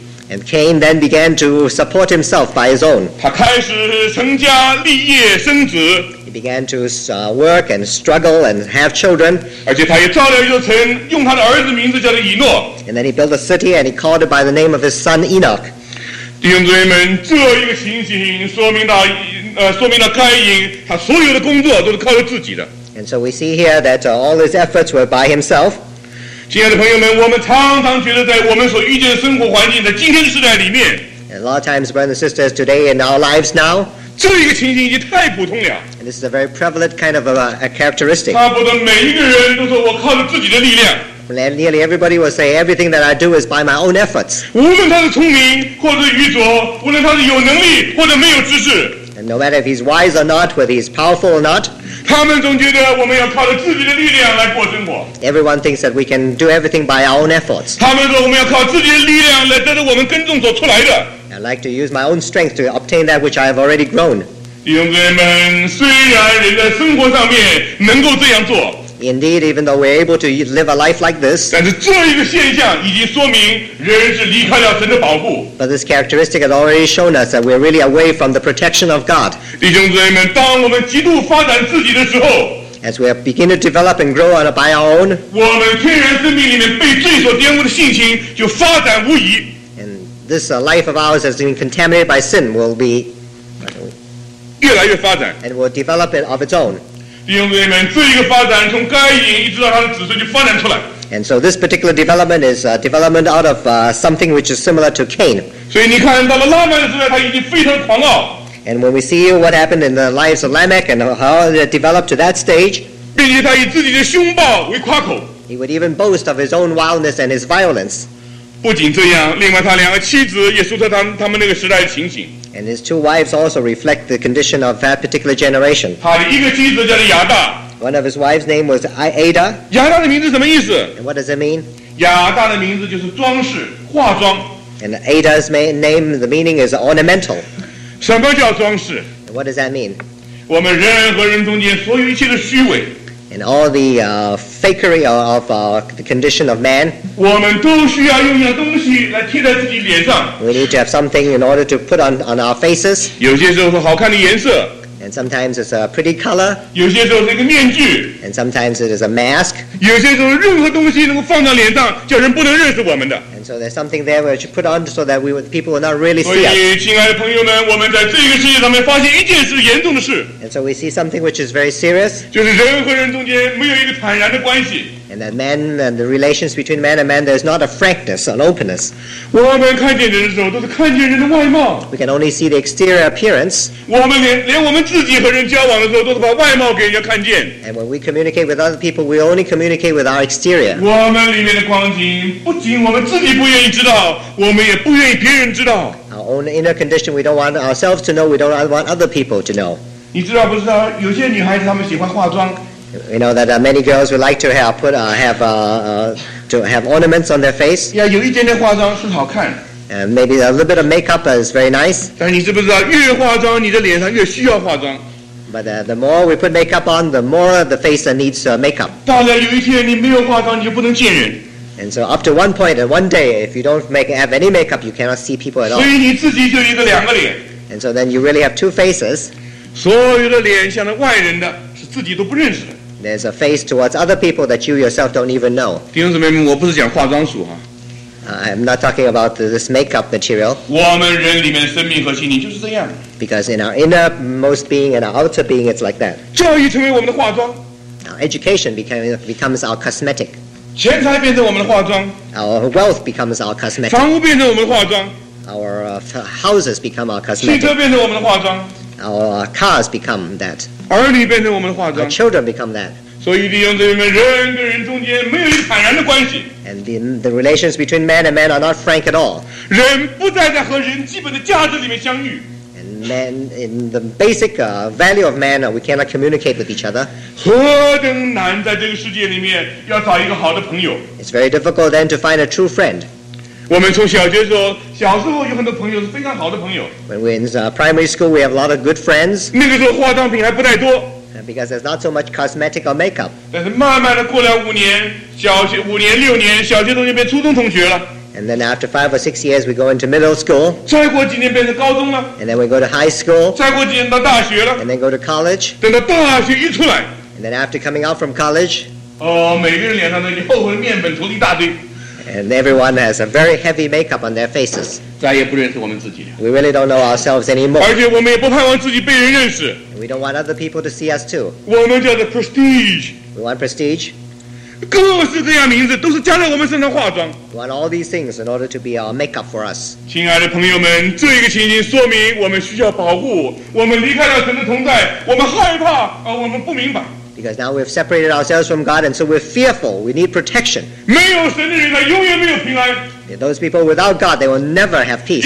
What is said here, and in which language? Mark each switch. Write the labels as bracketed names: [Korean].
[English] and Cain then began to support himself by his own. [Chinese] 他开始成家立业, [English] he began to work and struggle and have children. And then he built a city and he called it by the name of his son Enoch. [Chinese] 弟兄姊妹们,这一个情形说明了该隐,他所有的工作都是靠着自己的。 [English] And so we see here that all his efforts were by himself. [Chinese] 亲爱的朋友们, 我们常常觉得在我们所遇见的生活环境在今天的时代里面, [English] and a lot of times, brothers and sisters, today in our lives now, [Chinese] 这一个情形已经太普通了。 [English] And this is a very prevalent kind of a characteristic. [Chinese] 差不多每一个人都说我靠着自己的力量。 [English] And nearly everybody will say everything that I do is by my own efforts. [Chinese] 无论他是聪明或者愚拙，无论他是有能力或者没有知识。 [English] And no matter if he's wise or not, whether he's powerful or not. [Chinese] 他们总觉得我们要靠着自己的力量来过生活。 [English] Everyone thinks that we can do everything by our own efforts. [Chinese] 他们说我们要靠自己的力量来得到我们耕种所出来的。 [English] I'd like to use my own strength to obtain that which I have already grown. [Chinese] 弟兄姊妹们，虽然人在生活上面能够这样做。 [English] Indeed, even though we're able to live a life like this, [Chinese] 但是这一个现象已经说明人是离开了神的保护。 [English] But this characteristic has already shown us that we're really away from the protection of God. [Chinese] 弟兄姊妹们，当我们极度发展自己的时候， [English] as we begin to develop and grow on by our own, [Chinese] 我们天然生命里面被罪所玷污的性情就发展无疑。 [English] And this life of ours has been contaminated by sin will be [Chinese] 越来越发展， [English] and will develop it of its own. [Chinese] 弟兄姊妹们，这一个发展从该隐一直到他的子孙就发展出来。 [English] And so this particular development is a development out of something which is similar to Cain. [Chinese] 所以你看到了拉曼的时代，他已经非常狂傲。 [English] And when we see what happened in the lives of Lamech and how it developed to that stage, [Chinese] 并且他以自己的凶暴为夸口。 [English] He would even boast of his own wildness and his violence. [Chinese] 不仅这样，另外他两个妻子也说出他们那个时代的情形。 [English] And his two wives also reflect the condition of that particular generation. [Chinese] 他的一个妻子叫做亚大。 [English] One of his wives' name was Ada. [Chinese] 亚大的名字什么意思？ [English] And what does it mean? [Chinese] 亚大的名字就是装饰、化妆。 [English] And Ada's name, the meaning is ornamental. [Chinese] 什么叫装饰？ [English] And what does that mean? [Chinese] 我们人和人中间所有一切的虚伪。 [English] And all the fakery of the condition of man. [Chinese] 我们都需要用一些东西来贴在自己脸上。 [English] We need to have something in order to put on our faces. [Chinese] 有些时候是好看的颜色。 [English] And sometimes it's a pretty color. [Chinese] 有些时候是一个面具。 [English] And sometimes it is a mask. [Chinese] 有些时候任何东西能够放到脸上，叫人不能认识我们的。 [English] And so there's something there we should put on so that people will not really see us. [Chinese] 所以，亲爱的朋友们，我们在这个世界上面发现一件事，严重的事。 [English] And so we see something which is very serious. [Chinese] 就是人和人中间没有一个坦然的关系。 [English] And that man and the relations between man and man, there's not a frankness, an openness. [Chinese] 我们看见人的时候，都是看见人的外貌。 [English] We can only see the exterior appearance. [Chinese] 我们连我们自己和人交往的时候，都是把外貌给人家看见。 [English] And when we communicate with other people, we only communicate with our exterior. [Chinese] 我们里面的光景，不仅我们自己不愿意知道，我们也不愿意别人知道。 [English] Our own inner condition, we don't want ourselves to know, we don't want other people to know. [Chinese] 你知道不知道，有些女孩子她们喜欢化妆。 [English] You know that many girls would like to have ornaments on their face. [Chinese] Yeah, 有一点点化妆是好看。 [English] And maybe a little bit of makeup is very nice. [Chinese] 但你知不知道，越化妆，你的脸上越需要化妆。 [English] But the more we put makeup on, the more the face needs makeup. [Chinese] 到了有一天你没有化妆，你就不能见人。 [English] And so up to one point and one day, if you don't have any makeup, you cannot see people at all. [Chinese] 所以你自己就一个两个脸。 [English] And so then you really have two faces. [Chinese] 所有的脸向着外人的是自己都不认识的。 [English] There's a face towards other people that you yourself don't even know. [Chinese] 弟兄姊妹们，我不是讲化妆术哈。 [English] I'm not talking about this makeup material. [Chinese] 我们人里面生命和心灵就是这样。 [English] Because in our innermost being and our outer being, it's like that. [Chinese] 教育成为我们的化妆。 [English] Our education becomes our cosmetic. [Chinese] 钱财变成我们的化妆。 [English] Our wealth becomes our cosmetic. [Chinese] 房屋变成我们的化妆。 [English] Our houses become our cosmetic. [Chinese] 汽车变成我们的化妆。 [English] Our cars become that. [Chinese] 儿女变成我们的化妆。 [English] Our children become that. [Chinese] 所以弟兄姊妹们，人跟人中间没有坦然的关系。 [English] And the relations between man and man are not frank at all. [Chinese] 人不再在和人基本的价值里面相遇。 [English] And man, in the basic value of man, we cannot communicate with each other. [Chinese] 何等难在这个世界里面要找一个好的朋友。 [English] It's very difficult then to find a true friend. [Chinese] 我们从小学时候，小时候有很多朋友是非常好的朋友。 [English] When we in primary school, we have a lot of good friends. [Chinese] 那个时候化妆品还不太多。 [English] Because there's not so much cosmetic or makeup. [Chinese] 但是慢慢的过了五年，小学五年六年，小学同学变初中同学了。 [English] And then after 5 or 6 years, we go into middle school. [Chinese] 再过几年变成高中了。 [English] And then we go to high school. [Chinese] 再过几年到大学了。 [English] And then go to college. [Chinese] 等到大学一出来。 [English] And then after coming out from college. [Chinese] 哦，每个人脸上都已经厚厚的面粉涂了一大堆。 [English] And everyone has a very heavy makeup on their faces. [Chinese] 再也不认识我们自己了。 [English] We really don't know ourselves anymore. [Chinese] 而且我们也不盼望自己被人认识。 [English] We don't want other people to see us too. [Chinese] 我们叫做 prestige. [English] We want prestige. Well, all these things in order to be our makeup for us. [Chinese] 亲爱的朋友们，这一个情景说明我们需要保护，我们离开了神的同在，我们害怕，我们不明白。 [English] Because now we've separated ourselves from God, and so we're fearful. We need protection. [Chinese] 没有神的人，他永远没有平安。 [English] Those people without God, they will never have peace.